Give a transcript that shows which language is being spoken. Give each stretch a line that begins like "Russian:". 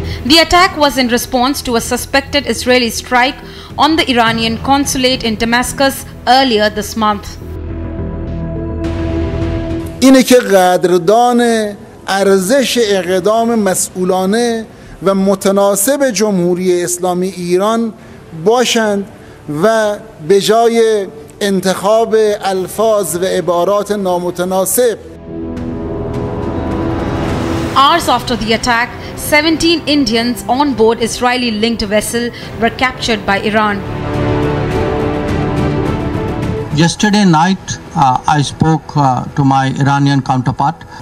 English: The attack was in response to a suspected Israeli strike on the Iranian consulate in Damascus earlier this month.
Persian: اینه که قدردان ارزش اقدام مسئولانه و متناسب جمهوری اسلامی ایران باشند و به جای انتخاب الفاظ و عبارات نامتناسب.
English: Hours after the attack, 17 Indians on board Israeli-linked vessel were captured by Iran. Yesterday night, I spoke to my Iranian counterpart.